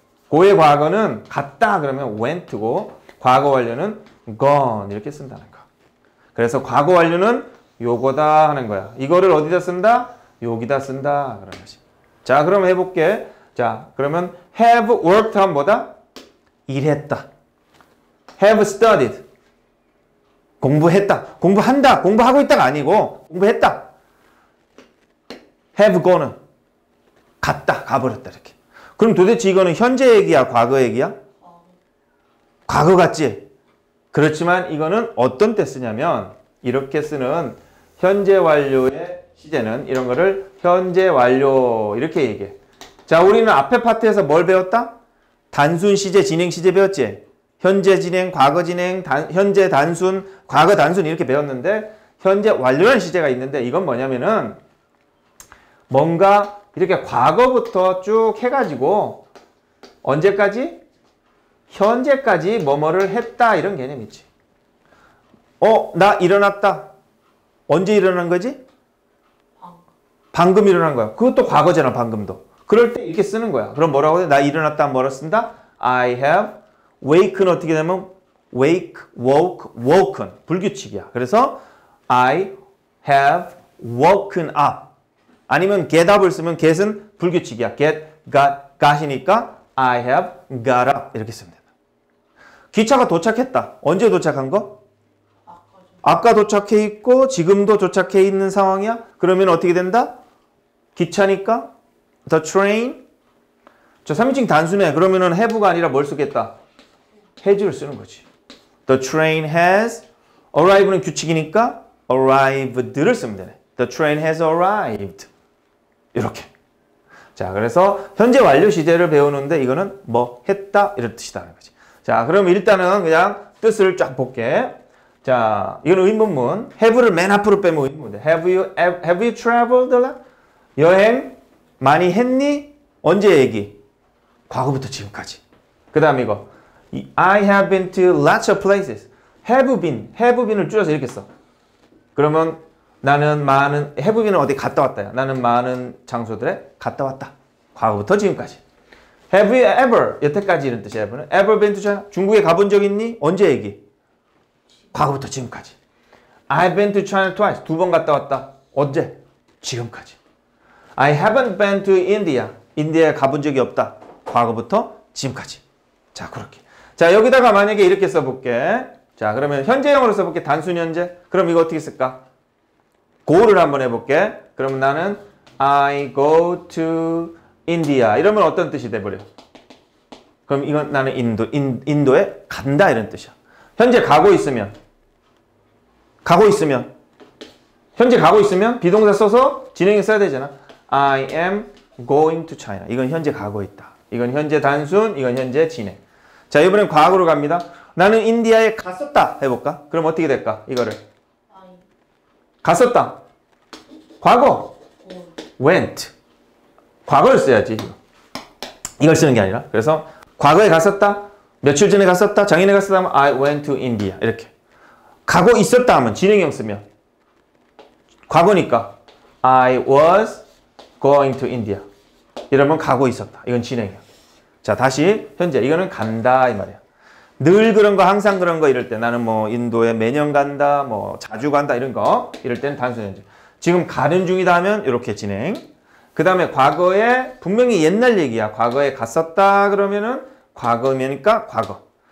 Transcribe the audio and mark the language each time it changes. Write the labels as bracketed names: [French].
[Korean] go의 과거는 갔다 그러면 went고 과거 완료는 gone 이렇게 쓴다는 거. 그래서 과거 완료는 요거다 하는 거야. 이거를 어디다 쓴다? 여기다 쓴다 그런 거지. 자, 그럼 해볼게. 자, 그러면 have worked 하면 뭐다? 일했다. have studied 공부했다. 공부한다. 공부하고 있다가 아니고 공부했다. have gone 갔다. 가버렸다 이렇게. 그럼 도대체 이거는 현재 얘기야? 과거 얘기야? 과거 같지? 그렇지만 이거는 어떤 때 쓰냐면 이렇게 쓰는 현재 완료의 시제는 이런 거를 현재 완료 이렇게 얘기해. 자, 우리는 앞에 파트에서 뭘 배웠다? 단순 시제, 진행 시제 배웠지? 현재 진행, 과거 진행, 현재 단순, 과거 단순 이렇게 배웠는데 현재 완료라는 시제가 있는데 이건 뭐냐면은 뭔가 이렇게 과거부터 쭉 해가지고 언제까지? 현재까지 뭐뭐를 했다 이런 개념이지. 나 일어났다. 언제 일어난 거지? 방금 일어난 거야. 그것도 과거잖아, 방금도. 그럴 때 이렇게 쓰는 거야. 그럼 뭐라고 해? 나 일어났다 하면 뭐라고 쓴다? [English] I have waken [Korean] 어떻게 되면? [English] wake, woke, woken. [Korean] 불규칙이야. 그래서 [English] I have woken up. [Korean] 아니면 get up을 쓰면 get은 불규칙이야. [English] get, got, got이니까 I have got up [Korean] 이렇게 쓰면 된다. 기차가 도착했다. 언제 도착한 거? 아까 도착해 있고 지금도 도착해 있는 상황이야. 그러면 어떻게 된다? 기차니까 the train. 저 3인칭 단순해. 그러면은 have가 아니라 뭘 쓰겠다? has를 쓰는 거지. [English] the train has arrived는 [Korean] 규칙이니까 [English] arrived를 쓰면 되네. the train has arrived. [Korean] 이렇게. 자, 그래서 현재 완료 시제를 배우는데 이거는 뭐 했다 이런 뜻이다는 거지. 자, 그럼 일단은 그냥 뜻을 쫙 볼게. 자, 이건 의문문. have를 맨 앞으로 빼면 의문문인데. [English] have you traveled? [Korean] 여행 많이 했니? 언제 얘기? 과거부터 지금까지. 그 다음 이거. [English] I have been to lots of places. [Korean] have been을 줄여서 이렇게 써. 그러면 나는 많은, have been은 어디 갔다 왔다야. 나는 많은 장소들에 갔다 왔다. 과거부터 지금까지. [English] Have you ever, [Korean] 여태까지 이런 뜻이야. Ever는. [English] ever been to China? [Korean] 중국에 가본 적 있니? 언제 얘기? 과거부터 지금까지. [English] I've been to China twice. [Korean] 두 번 갔다 왔다. 언제? 지금까지. [English] I haven't been to India. [Korean] 인디아에 가본 적이 없다. 과거부터 지금까지. 자, 그렇게. 자, 여기다가 만약에 이렇게 써볼게. 자, 그러면 현재형으로 써볼게. 단순 현재. 그럼 이거 어떻게 쓸까? go를 한번 해볼게. 그러면 나는 [English] I go to India. [Korean] 이러면 어떤 뜻이 돼버려? 그럼 이건 나는 인도에 간다. 이런 뜻이야. 현재 가고 있으면. 현재 가고 있으면 비동사 써서 진행을 써야 되잖아. [English] I am going to China. [Korean] 이건 현재 가고 있다. 이건 현재 단순, 이건 현재 진행. 자, 이번엔 과거로 갑니다. 나는 인디아에 갔었다 해볼까? 그럼 어떻게 될까? 이거를. 갔었다. 과거. went. 과거를 써야지. 이걸 쓰는 게 아니라. 그래서 과거에 갔었다. 며칠 전에 갔었다. 작년에 갔었다 하면 [English] I went to India. [Korean] 이렇게. 가고 있었다 하면 진행형 쓰면. 과거니까 [English] I was going to India. [Korean] 이러면 가고 있었다. 이건 진행이야. 자, 다시 현재. 이거는 간다 이 말이야. 늘 그런 거, 항상 그런 거 이럴 때 나는 뭐 인도에 매년 간다, 뭐 자주 간다 이런 거 이럴 때는 단순 현재. 지금 가는 중이다 하면 이렇게 진행. 그 다음에 과거에 분명히 옛날 얘기야. 과거에 갔었다 그러면은 과거니까 과거.